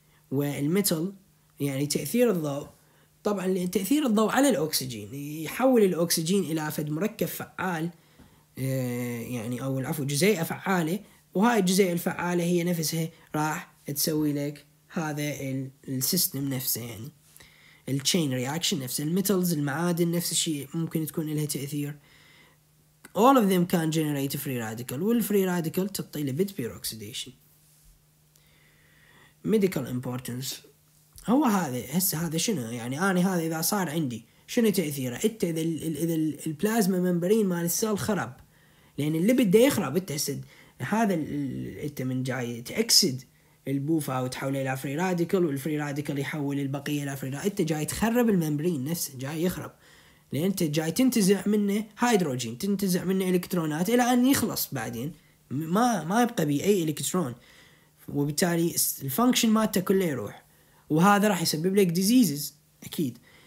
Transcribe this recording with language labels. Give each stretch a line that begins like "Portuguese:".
Arabic: والميتال يعني تأثير الضوء, طبعا تأثير الضوء على الأكسجين يحول الأكسجين إلى فد مركب فعال يعني أو العفو جزيئة فعالة, وهاي الجزيئة الفعالة هي نفسها راح تسوي لك هذا السيستم نفسه يعني الشين رياكشن نفسه. الميتالز المعادن نفس الشيء ممكن تكون لها تأثير.
English: All of them can generate free radical.
Arabic: والfree radical تعطي lipid peroxidation.
English: Medical importance.
Arabic: هو هذا هسه هذا شنو يعني أنا هذا إذا صار عندي شنو تأثيره؟ أنت إذا البلازما ممبرين مال السال خرب, لأن الليبيد ده يخرب أنت هسه هذا أنت من جاي تأكسد البوفة وتحوله إلى free radical, والfree radical يحول البقية إلى free radical. أنت جاي تخرب الممبرين نفسه, جاي يخرب لأن أنت جاي تنتزع منه هيدروجين, تنتزع منه إلكترونات إلى أن يخلص بعدين ما يبقى بي أي إلكترون, وبالتالي الفانكشن مالته كله يروح, وهذا راح يسبب لك ديزيزز أكيد.